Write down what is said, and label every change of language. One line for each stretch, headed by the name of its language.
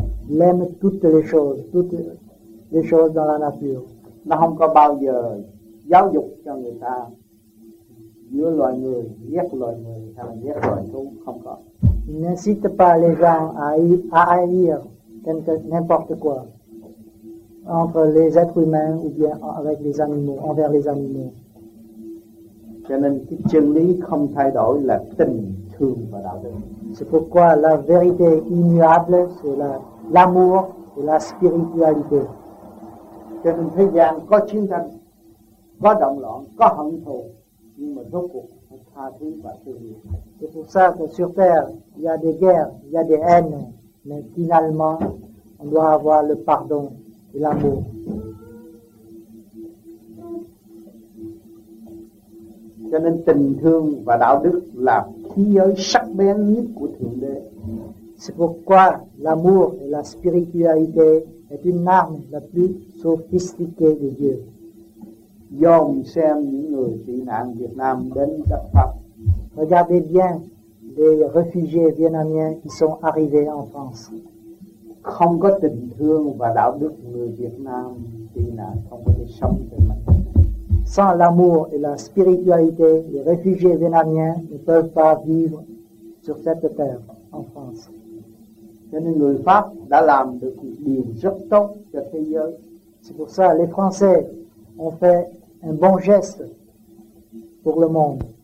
French: Il aime toutes les choses dans la nature.
Vietnamese: Nó không có bao giờ giáo dục cho người ta giữa loài người ghét loài người hay là ghét loài thú, không có.
French: Il n'incite pas les gens à haïr n'importe quoi entre les êtres humains ou bien avec les animaux, envers les animaux.
Vietnamese: Cho nên cái chân lý không thay đổi là tình thương và đạo đức.
French: C'est pourquoi la vérité immuable c'est l'amour et la spiritualité.
Vietnamese: Cho nên thế gian có chiến tranh, có động loạn, có hận thù, nhưng mà rốt cuộc phải tha thứ và thương yêu.
French: C'est pour ça que sur terre il y a des guerres, il y a des haines, mais finalement on doit avoir le pardon et l'amour.
Vietnamese: Cho nên tình thương và đạo đức là khí giới sắc bén nhất của thượng đế.
French: C'est pourquoi l'amour et la spiritualité est une arme la plus sophistiquée de Dieu.
Vietnamese: Do mình xem những người tị nạn Việt Nam đến gặp Pháp.
French: Regardez bien les réfugiés vietnamiens qui sont arrivés en France.
Vietnamese: Không có tình thương và đạo đức người Việt Nam tị nạn không có thể sống trên mặt.
French: Sans l'amour et la spiritualité, les réfugiés vietnamiens ne peuvent pas vivre sur cette terre en France.
Vietnamese: Cho nên người Pháp đã làm được một điều rất tốt cho thế giới.
French: C'est pour ça les Français ont fait un bon geste pour le monde.